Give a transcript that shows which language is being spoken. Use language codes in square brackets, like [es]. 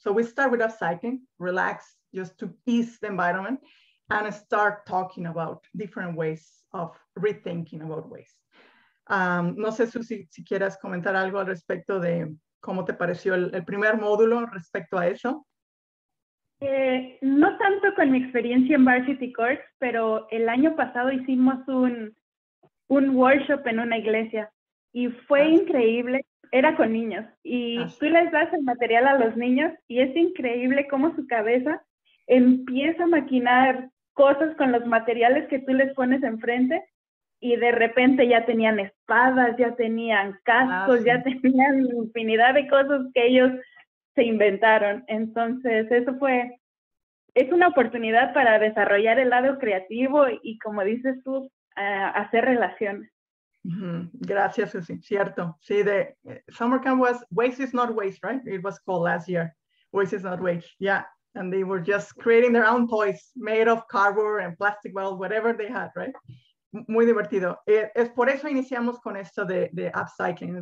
[en] So we start with upcycling, relax, just to ease the environment, and start talking about different ways of rethinking about waste. [es] No sé, Susi, si quieras comentar algo al respecto de cómo te pareció el primer módulo respecto a eso. No tanto con mi experiencia en Varsity Courts, pero el año pasado hicimos un workshop en una iglesia, y fue increíble. Era con niños, y tú les das el material a los niños, y es increíble cómo su cabeza empieza a maquinar cosas con los materiales que tú les pones enfrente, y de repente ya tenían espadas, ya tenían cascos, ya tenían infinidad de cosas que ellos se inventaron. Entonces, es una oportunidad para desarrollar el lado creativo y, como dices tú, hacer relaciones. Gracias, Susi. Cierto. [en] Sí, the summer camp was Waste is Not Waste, right? It was called last year. Waste is Not Waste. Yeah. And they were just creating their own toys made of cardboard and plastic bottles, whatever they had, right? [es] Muy divertido. Es por eso iniciamos con esto de upcycling.